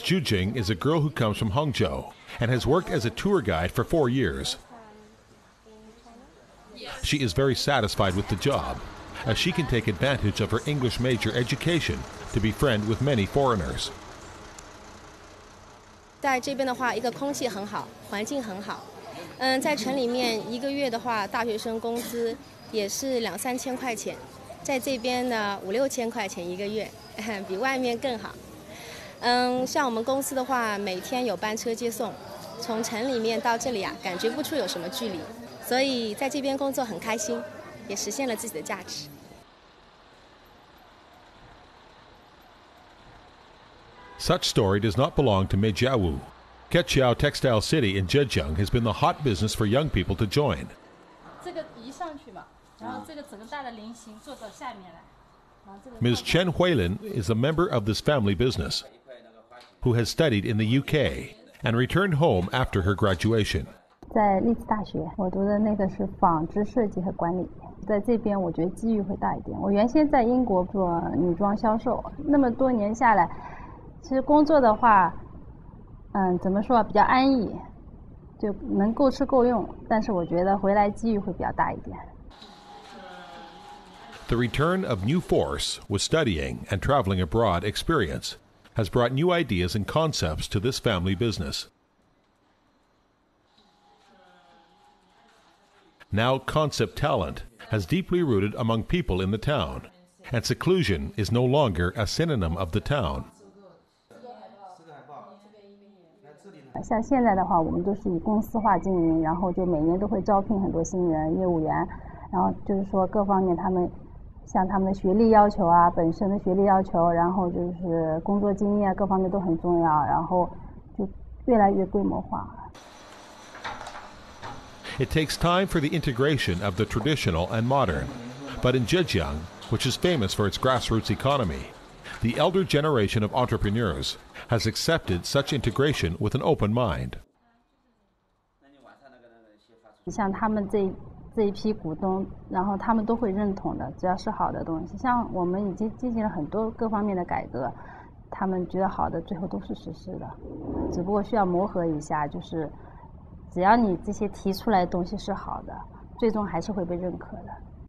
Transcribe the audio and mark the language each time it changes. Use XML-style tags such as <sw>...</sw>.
<en>Zhu Jing is a girl who comes from Hangzhou and has worked as a tour guide for 4 years. She is very satisfied with the job, as she can take advantage of her English major education to befriend with many foreigners.</en> <zh>在这边的话，一个空气很好，环境很好。在城里面一个月的话，大学生工资也是2-3千块钱，在这边呢5-6千块钱一个月，比外面更好。像我们公司的话，每天有班车接送，从城里面到这里啊，感觉不出有什么距离，所以在这边工作很开心，也实现了自己的价值。</zh> <en>Such story does not belong to Meijiawu. Kechiao Textile City in Zhejiang has been the hot business for young people to join.</en> <zh>这个移上去嘛，然后这个整个大的菱形坐到下面来。</zh> <en>Ms. Chen Huilin is a member of this family business who has studied in the UK and returned home after her graduation.</en> <zh>在利兹大学，我读的那个是纺织设计和管理，在这边我觉得机遇会大一点。我原先在英国做女装销售，那么多年下来，其实工作的话，怎么说，比较安逸，就能够吃够用，但是我觉得回来机遇会比较大一点。</zh> <en>The return of new force with studying and traveling abroad experience has brought new ideas and concepts to this family business. Now concept talent has deeply rooted among people in the town, and seclusion is no longer a synonym of the town.</en> <zh>像现在的话，我们都是以公司化经营，然后就每年都会招聘很多新人、业务员，然后就是说各方面他们。像他们的学历要求啊，本身的学历要求，然后就是工作经验各方面都很重要，然后就越来越规模化。</zh> <en>It takes time for the integration of the traditional and modern, but in Zhejiang, which is famous for its grassroots economy, the elder generation of entrepreneurs has accepted such integration with an open mind.</en> <zh>像他们这一批股东，然后他们都会认同的，只要是好的东西。像我们已经进行了很多各方面的改革，他们觉得好的最后都是实施的，只不过需要磨合一下，就是只要你这些提出来的东西是好的，最终还是会被认可的。</zh>